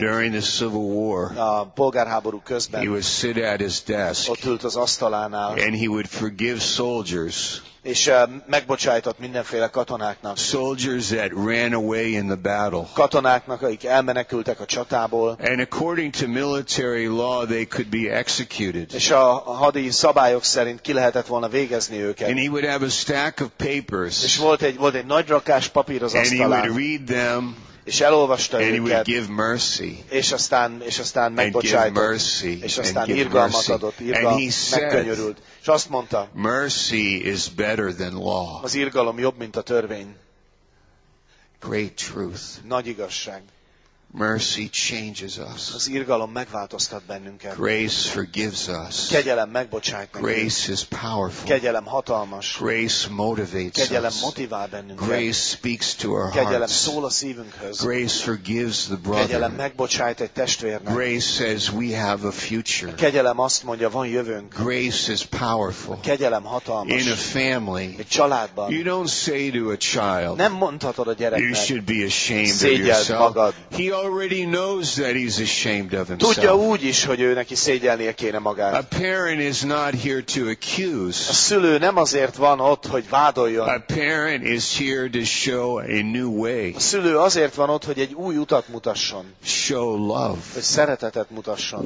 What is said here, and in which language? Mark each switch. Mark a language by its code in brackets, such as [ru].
[en] during the Civil War, [hu] a polgárháború közben, [en] he would sit at his desk, [hu] ott ült az asztalánál, [en] and he would forgive soldiers, [hu] és megbocsájtott mindenféle katonáknak, [en] soldiers that ran away in the battle, [hu] katonáknak, akik elmenekültek a csatából, [en] and according to military law they could be executed, [hu] és a hadi szabályok szerint ki lehetett volna végezni őket, [en] and he would have a stack of papers, [hu] és volt egy nagy rakás papír az asztalán, [en] and he would read them, [hu] és elolvasta őket, [en] and he would give mercy, [hu] és aztán megbocsájtott, [en] mercy, [hu] és aztán irgalmat adott, megkönnyörült, és azt mondta, [en] mercy is better than law. [hu] Az irgalom jobb, mint a törvény. [en] Great truth. [hu] Nagy igazság. [en] Mercy changes us. [hu] Az irgalom megváltoztat bennünket. [en] Grace forgives us. [hu] Kegyelem megbocsájt bennünket. [en] Grace is powerful. [hu] Kegyelem hatalmas. [en] Grace motivates us. [hu] Kegyelem motivál bennünket. [en] Grace speaks to our hearts. [hu] Kegyelem szól a szívünkhöz. [en] Grace forgives the brother. [hu] Kegyelem megbocsájt egy testvérnek. [en] Grace says we have a future. [hu] Kegyelem azt mondja, van jövőnk. [en] Grace is powerful. [hu] Kegyelem hatalmas. [en] In a family, [hu] egy családban, [en] you don't say to a child, [hu] nem mondhatod a gyereknek, [en] you should be ashamed of yourself. [hu] Magad. [en] He already knows that he's ashamed of himself. [hu] Tudja úgy is, hogy ő neki szégyellnie kéne magát. [en] A parent is not here to accuse. [hu] A szülő nem azért van ott, hogy vádoljon. [en] A parent is here to show a new way. [hu] A szülő azért van ott, hogy egy új utat mutasson. [en] Show love. [hu] Hogy szeretetet mutasson.